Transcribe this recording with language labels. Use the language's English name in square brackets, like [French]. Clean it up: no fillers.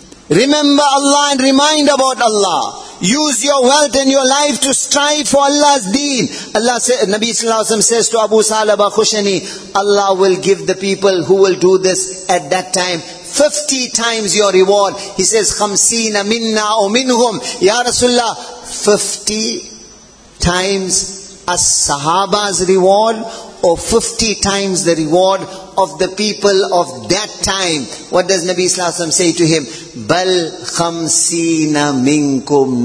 [English] Remember Allah and remind about Allah. Use your wealth and your life to strive for Allah's deen. Allah say, Nabi Sallallahu Alaihi Wasallam says to Abu Salaba Khushani, Allah will give the people who will do this at that time 50 times your reward. [Arabic] He says, خَمْسِينَ مِنَّا وَمِنْهُمْ. [English] Ya Rasulullah, 50 times a sahaba's reward, or 50 times the reward of the people of that time. What does Nabi Sallallahu Alaihi Wasallam say to him? [Arabic] Bal khamsina minkum.